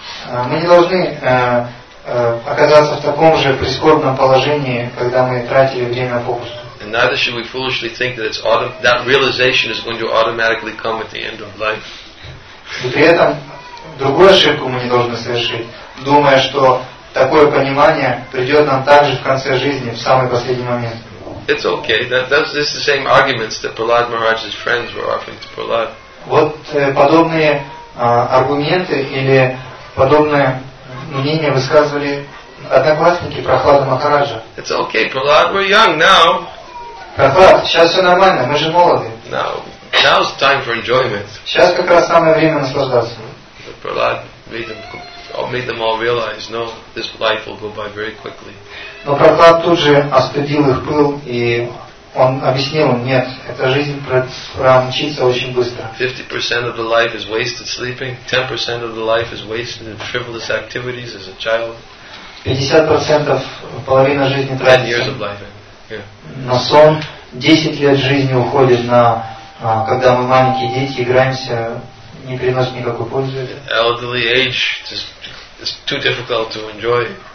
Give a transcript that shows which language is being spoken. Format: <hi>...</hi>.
<ru>Мы не должны оказаться в таком же прискорбном положении, когда мы тратили время впустую.</ru> <en>And neither should we foolishly think that it's that realization is going to automatically come at the end of life.</en> <ru>И при этом другую ошибку мы не должны совершить, думая, что такое понимание придет нам также в конце жизни, в самый последний момент.</ru> <en>It's okay. This is the same arguments that Prahlad Maharaj's friends were offering to Prahlad.</en> <ru>Вот подобные аргументы или подобное мнение высказывали одноклассники Прахлада Махараджа.</ru> <en>It's okay, Prahlad. We're young now.</en> <ru>Прахлад, сейчас все нормально. Мы же молоды.</ru> <en>Now's time for enjoyment.</en> <ru>Сейчас как раз самое время наслаждаться.</ru> <en>But Prahlad made them all realize, no, this life will go by very quickly.</en> <ru>Но Прохлад тут же остудил их пыл, и он объяснил им, нет, эта жизнь промчится очень быстро.</ru> <en>50% of the life is wasted sleeping, 10% of the life is wasted in frivolous activities as a child.</en> <ru>50% половина жизни тратится.</ru> <en>10 years of life. Yeah.</en> <ru>На сон, 10 лет жизни уходит на, когда мы маленькие дети, играемся, не приносит никакой пользы.</ru> <en>Elderly age, it's too difficult to enjoy.</en>